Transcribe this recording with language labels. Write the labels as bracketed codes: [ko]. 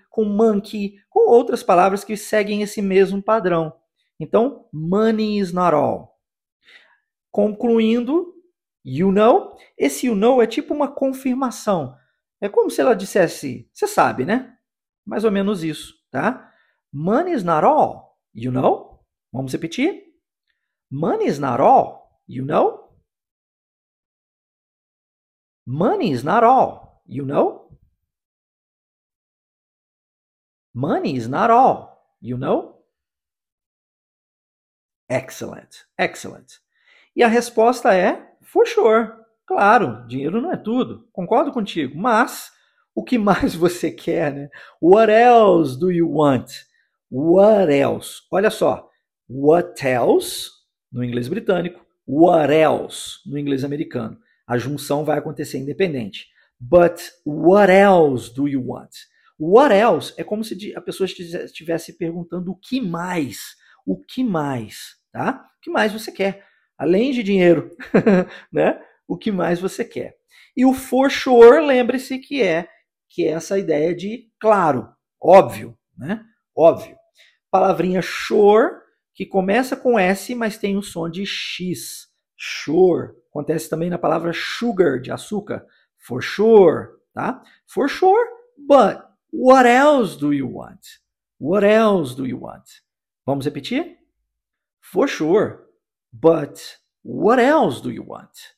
[pt] com monkey, com outras palavras que seguem esse mesmo padrão. Então, [en] money is not all. [pt] Concluindo, [en] you know, [pt] esse you know é tipo uma confirmação. É como se ela dissesse, você sabe, né? Mais ou menos isso, tá? [en] Money is not all, you know? [pt] Vamos repetir? [en] Money is not all, you know? Money is not all, you know? Money is not all, you know? Excellent, excellent. [pt] E a resposta é, [en] for sure. [pt] Claro, dinheiro não é tudo. Concordo contigo. Mas, o que mais você quer, né? [en] What else do you want? What else? [pt] Olha só. [en] What else, [pt] no inglês britânico. What else, no inglês americano. A junção vai acontecer independente. [en] But, what else do you want? What else [pt] é como se a pessoa estivesse perguntando o que mais? O que mais? Tá? O que mais você quer? Além de dinheiro, né? O que mais você quer? E o [en] for sure, [pt] lembre-se que é essa ideia de claro, óbvio, né? Óbvio. Palavrinha sure, que começa com S, mas tem um som de X. Sure. Acontece também na palavra sugar, de açúcar. [en] For sure, [pt] tá? [en] For sure, but what else do you want? What else do you want? [pt] Vamos repetir? [en] For sure. But what else do you want?